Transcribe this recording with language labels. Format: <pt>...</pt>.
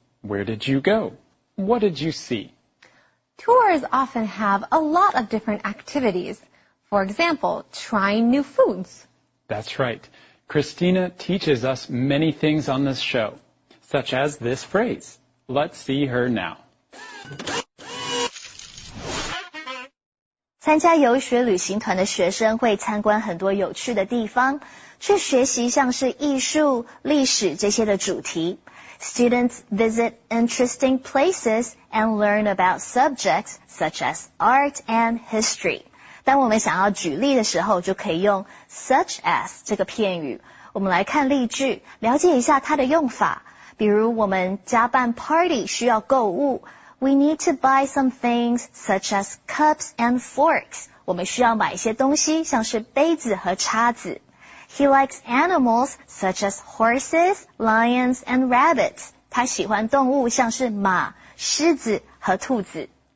<en>Where did you go? What did you see? Tours often have a lot of different activities. For example, trying new foods. That's right. Christina teaches us many things on this show, such as this phrase. Let's see her now.</en> <zh>参加游学旅行团的学生会参观很多有趣的地方，去学习像是艺术、历史这些的主题。</zh> <en>Students visit interesting places and learn about subjects such as art and history.</en> <zh>当我们想要举例的时候，就可以用 such as 这个片语。我们来看例句，了解一下它的用法。比如我们加办 party 需要购物。</zh> <en>We need to buy some things such as cups and forks.</en> <zh>我们需要买一些东西，像是杯子和叉子。</zh> <en>He likes animals such as horses, lions, and rabbits.</en> <zh>他喜欢动物像是马、狮子和兔子。</zh>